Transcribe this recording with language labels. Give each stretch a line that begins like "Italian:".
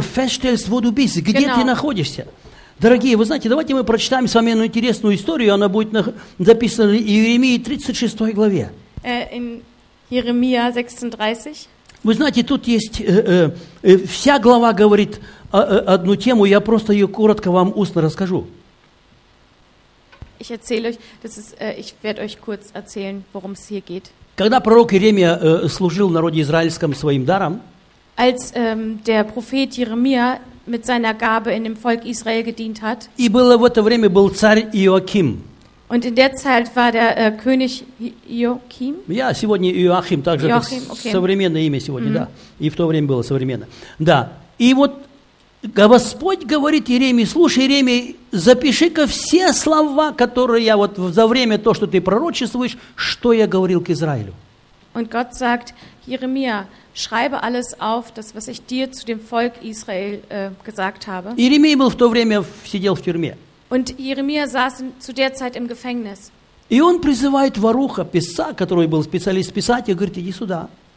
German: Feststellst, wo du bist,
Russian: где
German: genau.
Russian: Ты находишься. Дорогие, вы знаете, давайте мы прочитаем с вами одну интересную историю, она будет записана в Иеремии 36 главе.
German: In Jeremia 36.
Russian: Вы знаете, тут есть, вся глава говорит одну тему, я просто ее коротко вам устно расскажу.
German: Ich erzähle euch, das ist, ich werde euch kurz erzählen, worum es hier geht.
Russian: Когда пророк Иеремия служил народу израильскому своим даром,
German: als der Prophet Jeremia mit seiner Gabe in dem Volk Israel gedient hat.
Russian: И было в это время был царь Иоаким.
German: Und in der Zeit war der König Иоаким?
Russian: Ja, сегодня Иоаким, также Иоаким, okay. Современное имя сегодня, mm-hmm. Да. И в то время было современно. Да. И вот Господь говорит Иеремии, слушай, Иеремий, запиши-ка все слова, которые я вот за время то, что ты пророчествуешь, что я говорил к Израилю.
German: Und Gott sagt, Jeremia, schreibe alles auf, das, was ich dir zu dem Volk Israel gesagt habe.
Russian: Иеремия был в то время, сидел в тюрьме.
German: Und Jeremia saß zu der Zeit im Gefängnis.
Russian: И он призывает Варуха, писца, который был специалист писать, и говорит, иди сюда.